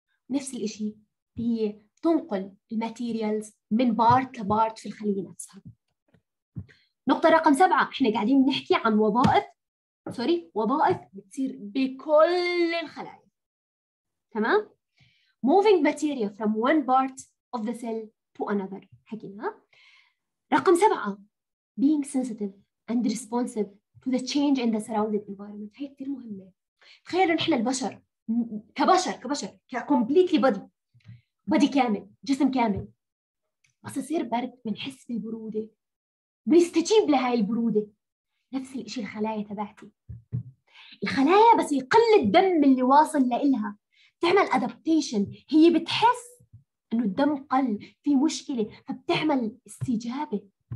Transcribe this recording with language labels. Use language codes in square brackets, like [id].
[ar] نفس الإشي هي تنقل الماتيريالز من بارت لبارت في الخلية نفسها. نقطة رقم سبعة، إحنا قاعدين نحكي عن وظائف، سوري، وظائف بتصير بكل الخلايا، تمام؟ [en] moving material from one part of the cell to another، [ar] حكينا. رقم سبعة، [en] being sensitive and responsive to the change in the surrounded environment. [ar] هي كتير مهمة. تخيلوا نحن البشر كبشر [en] completely body [ar] كامل، جسم كامل، بس يصير برد بنحس بالبرودة، بنستجيب لهاي البرودة. نفس الاشي الخلايا تبعتي، الخلايا بس يقل الدم اللي واصل لإلها، تعمل adaptation، هي بتحس انه الدم قل، في مشكلة، فبتعمل استجابة.